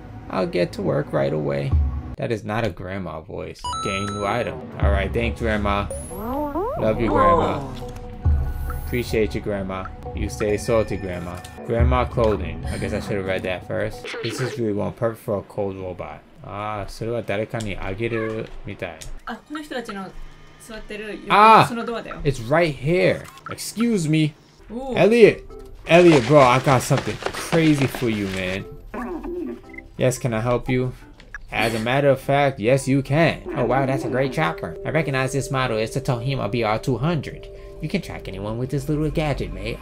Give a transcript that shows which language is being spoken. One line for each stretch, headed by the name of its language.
English: I'll get to work right away. That is not a grandma voice. Gain new item. All right, thanks, Grandma. Love you, Grandma. Appreciate you, Grandma. You stay salty, Grandma. Grandma clothing. I guess I should have read that first. This is really one perfect for a cold robot.
Japanese: Ah, それは誰かにあげるみたい。あ、この人たちの座ってる横のそのドアだよ。
English: It's right here. Excuse me. Ooh. Elliot, bro, I got something crazy for you, man. Yes, can I help you? As a matter of fact, yes you can. Oh wow, that's a great tracker. I recognize this model, it's the Tohima BR-200. You can track anyone with this little gadget, mate.